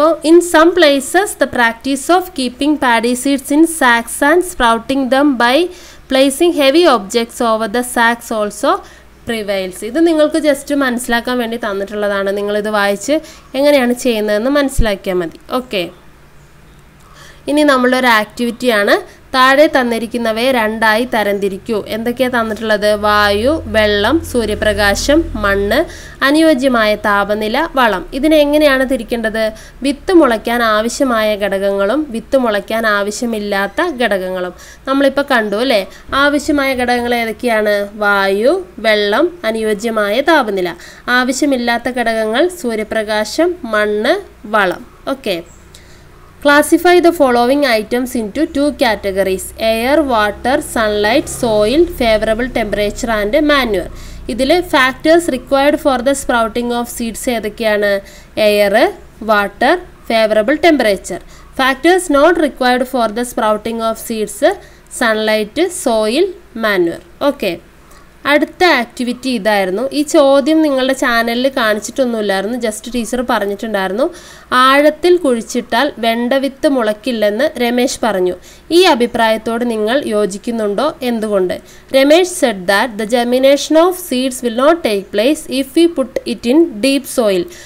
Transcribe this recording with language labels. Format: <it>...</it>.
<en>In some places, the practice of keeping paddy seeds in sacks and sprouting them by placing heavy objects over the sacks also prevails.</en> <ml>ഇത് നിങ്ങൾക്ക് just മനസ്സിലാക്കാൻ വേണ്ടി തന്നിട്ടുള്ളതാണ്. നിങ്ങൾ ഇത് വായിച്ച് എങ്ങനെയാണ് ചെയ്യുന്നതെന്ന് മനസ്സിലാക്കിയാൽ മതി. ഓക്കെ, ഇനി നമ്മളൊരു ആക്ടിവിറ്റിയാണ്. താഴെ തന്നിരിക്കുന്നവയെ രണ്ടായി തരംതിരിക്കൂ. എന്തൊക്കെയാണ് തന്നിട്ടുള്ളത്? വായു, വെള്ളം, സൂര്യപ്രകാശം, മണ്ണ്, അനുയോജ്യമായ താപനില, വളം. ഇതിനെങ്ങനെയാണ് തിരിക്കേണ്ടത്? വിത്ത് മുളയ്ക്കാൻ ആവശ്യമായ ഘടകങ്ങളും വിത്ത് മുളയ്ക്കാൻ ആവശ്യമില്ലാത്ത ഘടകങ്ങളും നമ്മളിപ്പോൾ കണ്ടു അല്ലേ. ആവശ്യമായ ഘടകങ്ങൾ ഏതൊക്കെയാണ്? വായു, വെള്ളം, അനുയോജ്യമായ താപനില. ആവശ്യമില്ലാത്ത ഘടകങ്ങൾ സൂര്യപ്രകാശം, മണ്ണ്, വളം.</ml> <en>Okay, classify the following items into two categories: air, water, sunlight, soil, favorable temperature and manure.</en> <ml>ഇതിലെ</ml> <en>factors required for the sprouting of seeds</en> <ml>ഏതൊക്കെയാണ്?</ml> <en>air, water, favorable temperature. factors not required for the sprouting of seeds: sunlight, soil, manure.</en> <ml>okay, അടുത്ത activity ഇതായിരുന്നു. ഈ ചോദ്യം നിങ്ങളുടെ ചാനലിൽ കാണിച്ചിട്ടൊന്നുമില്ലായിരുന്നു, just teacher പറഞ്ഞിട്ടുണ്ടായിരുന്നു. ആഴത്തിൽ കുഴിച്ചിട്ടാൽ വെണ്ടവിത്ത് മുളയ്ക്കില്ലെന്ന് രമേശ് പറഞ്ഞു. ഈ അഭിപ്രായത്തോട് നിങ്ങൾ യോജിക്കുന്നുണ്ടോ? എന്തുകൊണ്ട്?</ml> <en>Ramesh said that the germination of seeds will not take place if you put it in deep soil.</en>